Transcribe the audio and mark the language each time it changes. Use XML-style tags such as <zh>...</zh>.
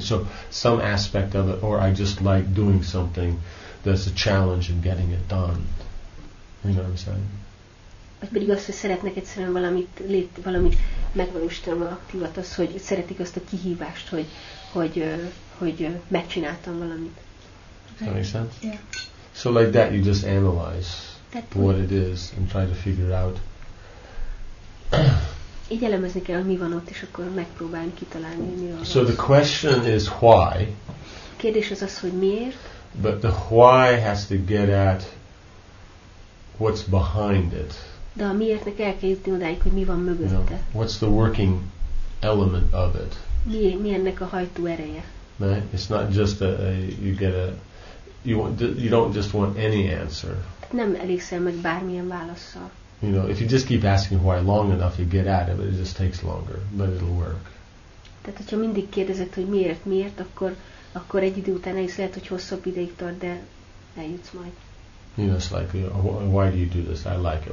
<en>So some aspect of it, or I just like doing something that's a challenge and getting it done. You know what I'm saying?</en> <hu>Vagy pedig azt, hogy szeretnek egyszerűen valamit lét, valamit megvalósítani, aktívat az, hogy szeretik azt a kihívást, hogy megcsináltam valamit.</hu> <en>That makes sense? Yeah. So like that, you just analyze what it is and try to figure out.</en> <hu>Így elemezni kell, hogy mi van ott, és akkor megpróbálni kitalálni, mi van.</hu> <en>So the question is why.</en> <hu>Kérdés az az, hogy miért.</hu> <en>But the why has to get at what's behind it.</en> <hu>De a miértnek el kell jutni odáig, hogy mi van mögötte.</hu> <en>You know, what's the working element of it?</en> <hu>Mi ennek a hajtó ereje?</hu> <en>Right? It's not just you don't just want any answer.</en> <hu>Nem elégszel meg bármilyen válaszsal.</hu> <en>You know, if you just keep asking why long enough, you get at it, but it just takes longer, but it'll work.</en> <hu>Tehát, hogyha mindig kérdezed, hogy miért, akkor egy idő után is lehet, hogy hosszabb ideig tart, de eljutsz majd.</hu> <en>You know, it's like, you know, why do you do this? I like it.</en>